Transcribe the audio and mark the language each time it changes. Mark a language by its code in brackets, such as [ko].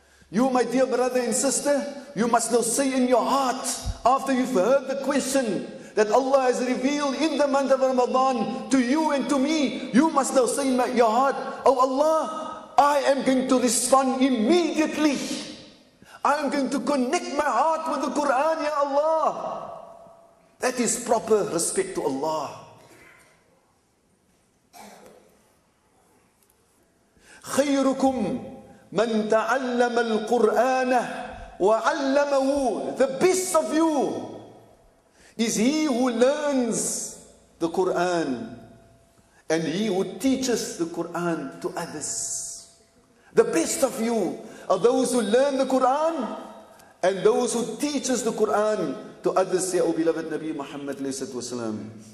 [en] You, my dear brother and sister, you must now say in your heart, after you've heard the question that Allah has revealed in the month of Ramadan to you and to me, you must now say in your heart, oh Allah, I am going to respond immediately. I am going to connect my heart with the Quran, ya Allah. That is proper respect to Allah. [ar] خيركم من تعلم القرآن وعلمه. [en] The best of you is he who learns the Quran and he who teaches the Quran to others. The best of you are those who learn the Quran and those who teaches the Quran to others, say, O beloved Nabi Muhammad alayhi salatu wasalam.